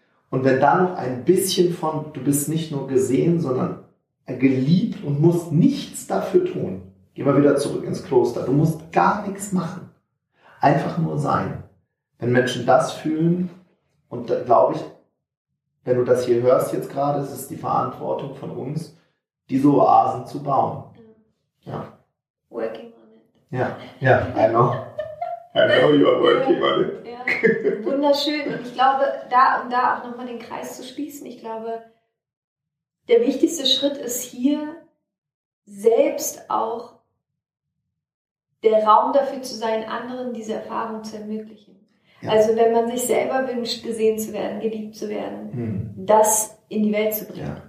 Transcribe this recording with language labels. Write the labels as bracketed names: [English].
[German] Und wenn da noch ein bisschen von, du bist nicht nur gesehen, sondern geliebt und musst nichts dafür tun, geh mal wieder zurück ins Kloster, du musst gar nichts machen, einfach nur sein. Wenn Menschen das fühlen, und da glaube ich, wenn du das hier hörst jetzt gerade, ist es die Verantwortung von uns, diese Oasen zu bauen. Ja. [English] Working on it. Ja, ja, I know you are working on it. [German] Ja. Wunderschön. Und ich glaube, da und da auch nochmal den Kreis zu schließen, ich glaube, der wichtigste Schritt ist hier, selbst auch der Raum dafür zu sein, anderen diese Erfahrung zu ermöglichen. Ja. Also wenn man sich selber wünscht, gesehen zu werden, geliebt zu werden, das in die Welt zu bringen. Ja.